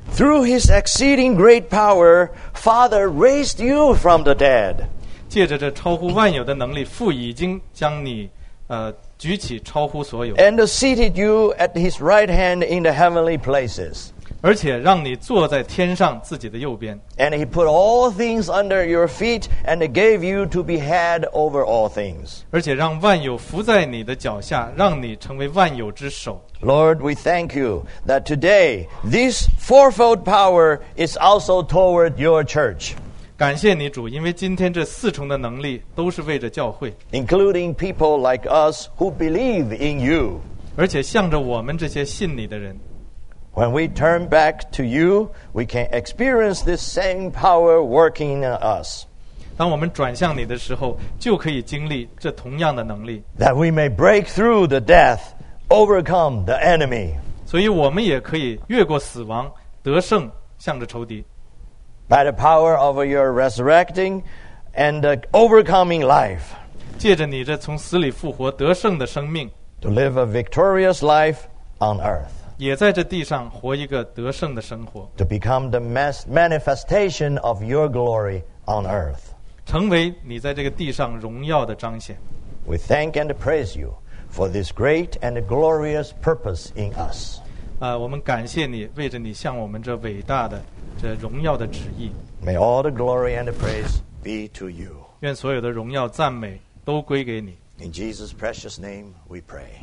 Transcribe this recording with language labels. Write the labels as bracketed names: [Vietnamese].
[English] Through His exceeding great power, Father raised you from the dead. [Chinese] 借着这超乎万有的能力，父已经将你举起超乎所有。 [English] And seated you at his right hand in the heavenly places. [Chinese] 而且让你坐在天上自己的右边。 [English] And he put all things under your feet and gave you to be head over all things. [Chinese] 而且让万有伏在你的脚下，让你成为万有之首。 [English] Lord, we thank you that today this fourfold power is also toward your church. [Chinese] 感谢你主，因为今天这四重的能力都是为着教会。 [English] Including people like us who believe in you. [Chinese] 而且向着我们这些信你的人。 [English] When we turn back to you, we can experience this same power working in us. [Chinese] 当我们转向你的时候，就可以经历这同样的能力。 [English] That we may break through the death. Overcome the enemy. [Chinese] 所以我们也可以越过死亡，得胜，向着仇敌。 [English] By the power of your resurrecting and overcoming life. [Chinese] 借着你这从死里复活得胜的生命。 [English] To live a victorious life on earth. [Chinese] 也在这地上活一个得胜的生活。 [English] To become the manifestation of your glory on earth. [Chinese] 成为你在这个地上荣耀的彰显。 [English] We thank and praise you. For this great and glorious purpose in us. [Chinese] 我们感谢你，为着你向我们这伟大的、这荣耀的旨意。 [English] May all the glory and the praise be to you. [Chinese] 愿所有的荣耀赞美都归给你。 [English] In Jesus' precious name, we pray.